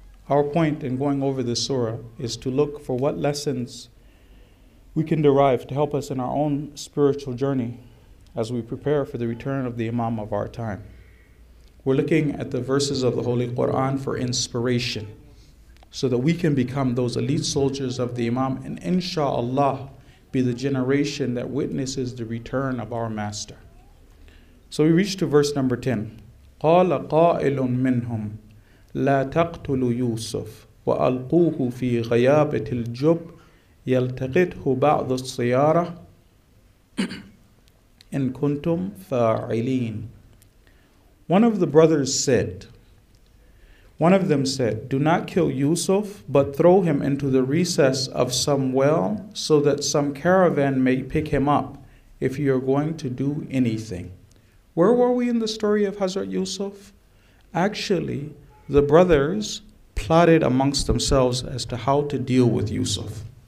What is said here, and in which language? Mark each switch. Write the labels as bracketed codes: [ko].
[en] Our point in going over this surah is to look for what lessons we can derive to help us in our own spiritual journey as we prepare for the return of the Imam of our time. We're looking at the verses of the Holy Quran for inspiration so that we can become those elite soldiers of the Imam and inshallah be the generation that witnesses the return of our master. So we reach to verse number 10. [ar] قَالَ قَائِلٌ مِّنْهُمْ لا تقتلوا يوسف وألقوه في غيابة الجب يلتقطه بعض السيارة إن كنتم فاعلين. [en] One of the brothers said, one of them said, do not kill Yusuf, but throw him into the recess of some well so that some caravan may pick him up if you are going to do anything. Where were we in the story of Hazrat Yusuf? Actually, the brothers plotted amongst themselves as to how to deal with Yusuf.